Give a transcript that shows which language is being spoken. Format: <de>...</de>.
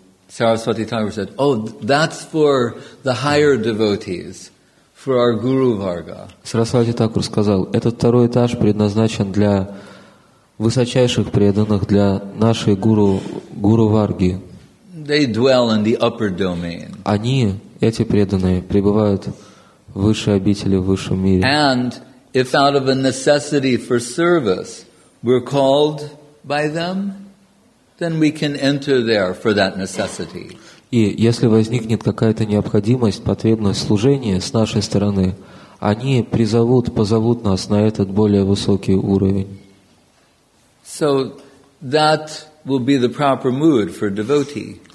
<en>Saraswati Thakur said, oh, that's for the higher devotees, for our Guru Varga.</en> <ru>Saraswati Thakur сказал, этот второй этаж предназначен для высочайших преданных, для нашей Гуру Варги.</ru> <en>They dwell in the upper domain.</en> <ru>Они, эти преданные, пребывают в высшей обители, в высшем мире.</ru> <en>And if out of a necessity for service, we're called by them, then we can enter there for that necessity.</en> <ru>И если возникнет какая-то необходимость, потребность служения с нашей стороны, они позовут нас на этот более высокий уровень.</ru> <en>So that will be the proper mood for devotee.</en>